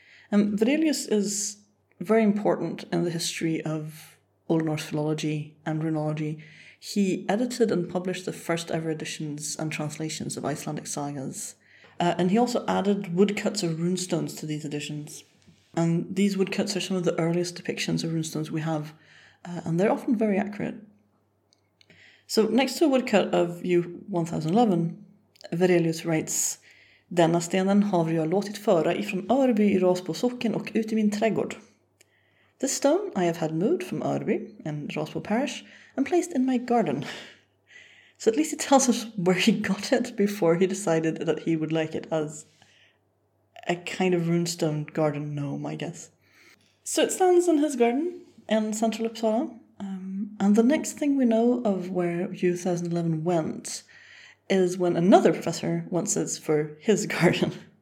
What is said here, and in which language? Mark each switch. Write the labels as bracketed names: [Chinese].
[English] And Verelius is very important in the history of Old Norse philology and runology. He edited and published the first ever editions and translations of Icelandic sagas. And he also added woodcuts of runestones to these editions. And these woodcuts are some of the earliest depictions of runestones we have. And they're often very accurate. So next to a woodcut of U1011, Verelius writes, [Swedish] "Denna stenen har jag låtit föra ifrån Örby I Rasbo socken och ut I min trädgård." [English] This stone I have had moved from Örby in Rasbo parish and placed in my garden. So at least he tells us where he got it before he decided that he would like it as a kind of runestone garden gnome, I guess. So it stands in his garden in central Uppsala. And the next thing we know of where U1011 went is when another professor wants it for his garden.